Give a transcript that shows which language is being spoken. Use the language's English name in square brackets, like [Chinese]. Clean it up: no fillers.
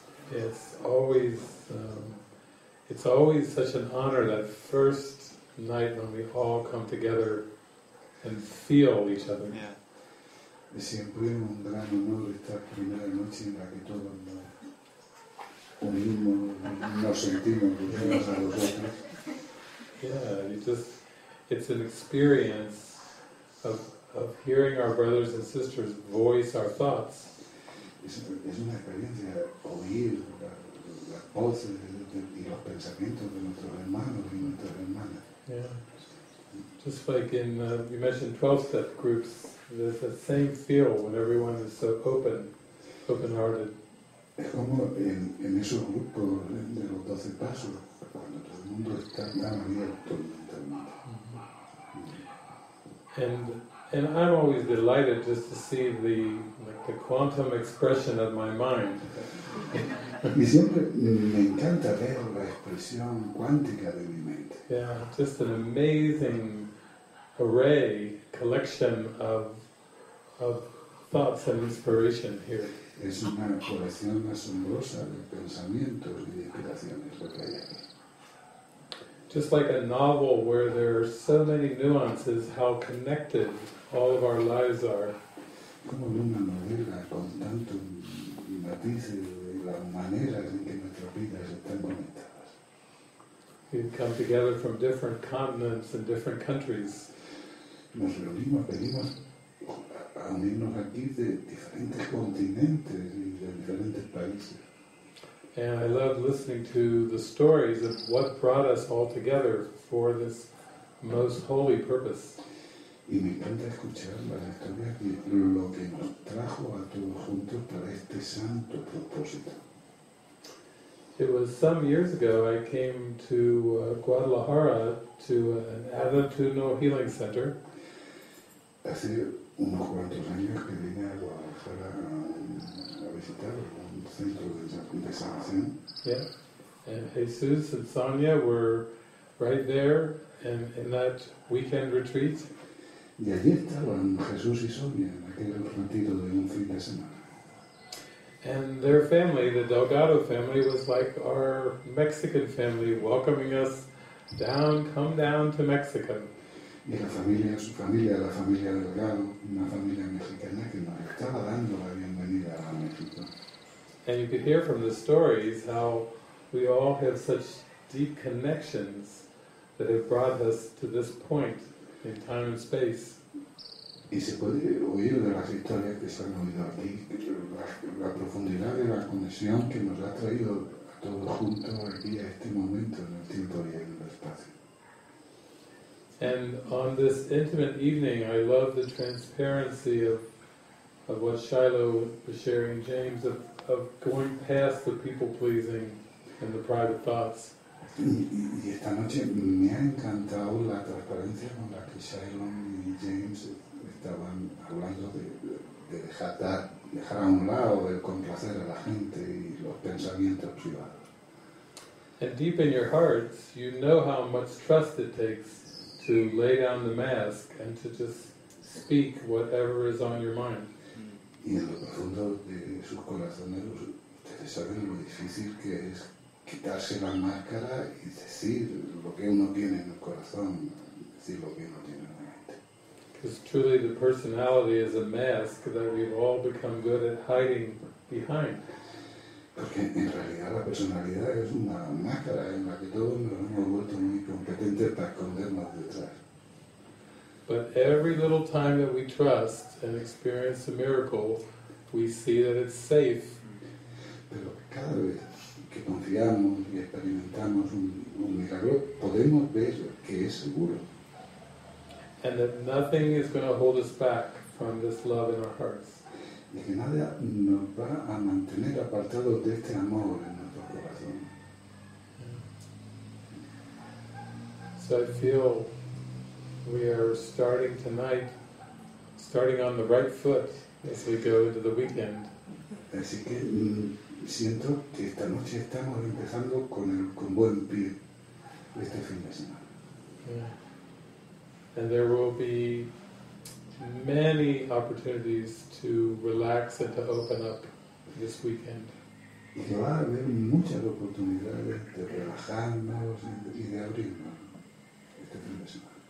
[English] It's always such an honor that first night when we all come together and feel each other. Yeah. [Spanish] Es siempre un gran honor estar primera noche en la que todos nos unimos, nos sentimos los unos a los otros. [English] Yeah, it's an experience of hearing our brothers and sisters voice our thoughts. [Spanish] Es una experiencia oír las voces y los pensamientos de nuestros hermanos y nuestras hermanas. [English] Yeah. Just like in, you mentioned 12-step groups, there's the same feel when everyone is so open-hearted. [Spanish] Es como en esos grupos de los 12 pasos, cuando todo el mundo está tan abierto mentalmente. [English] And I'm always delighted just to see the quantum expression of my mind. [Spanish] Y siempre me encanta ver la expresión cuántica de mi mente. [English] Yeah, just an amazing array, collection of thoughts and inspiration here. [Spanish] Es una colección asombrosa de pensamientos y de inspiraciones lo que hay aquí. [English] Just like a novel where there are so many nuances, how connected all of our lives are. [Spanish] Como en una novela con tantos matices y las maneras en que nuestras vidas están conectadas. [English] We've come together from different continents and different countries. [Spanish] Nos reunimos, venimos a unirnos aquí de diferentes continentes y de diferentes países. [English] And I love listening to the stories of what brought us all together for this most holy purpose. [Spanish] Y me encanta escuchar las historias de lo que nos trajo a todos juntos para este santo propósito. [English] It was some years ago I came to Guadalajara to an attitudinal healing center. [Spanish] Hace unos cuantos años que vine a Guadalajara a visitarlo. [English] Yeah, and Jesus and Sonia were right there in that weekend retreat. [Spanish] Y allí estaban Jesús y Sonia en aquel retiro de un fin de semana. [English] And their family, the Delgado family, was like our Mexican family, welcoming us down, come down to Mexico. [Spanish] Y la familia, su familia, la familia Delgado, una familia mexicana que nos estaba dando la bienvenida a México. [English] And you could hear from the stories how we all have such deep connections that have brought us to this point in time and space. [Spanish] Y se puede oír de las historias que se han oído aquí, la profundidad de la conexión que nos ha traído a todos juntos aquí a este momento en el tiempo y en el espacio. [English] And on this intimate evening, I love the transparency of what Shiloh was sharing, James, of going past the people-pleasing and the private thoughts. [Spanish] Y esta noche me ha encantado la transparencia con la que Shiloh y James estaban hablando de dejar dejar a un lado el complacer a la gente y los pensamientos privados. [English] And deep in your hearts, you know how much trust it takes to lay down the mask and to just speak whatever is on your mind. [Spanish] Y en lo profundo de sus corazones, ustedes saben lo difícil que es quitarse la máscara y decir lo que uno tiene en el corazón, decir lo que uno tiene en la mente. [English] Because truly the personality is a mask that we've all become good at hiding behind. [Spanish] Porque en realidad la personalidad es una máscara en la que todos nos hemos vuelto muy competentes para escondernos detrás. [English] But every little time that we trust and experience a miracle, we see that it's safe. [Spanish] Pero cada vez que confiamos y experimentamos un milagro, podemos ver que es seguro. [English] And that nothing is going to hold us back from this love in our hearts. [Spanish] Y que nada nos va a mantener apartados de este amor en nuestro corazón. [English] So I feel we are starting tonight, starting on the right foot as we go into the weekend. [Spanish] Así que siento que esta noche estamos empezando con buen pie este fin de semana. [English] And there will be many opportunities to relax and to open up this weekend. [Spanish] Y va a haber muchas oportunidades de relajarnos y de abrirnos este fin de semana.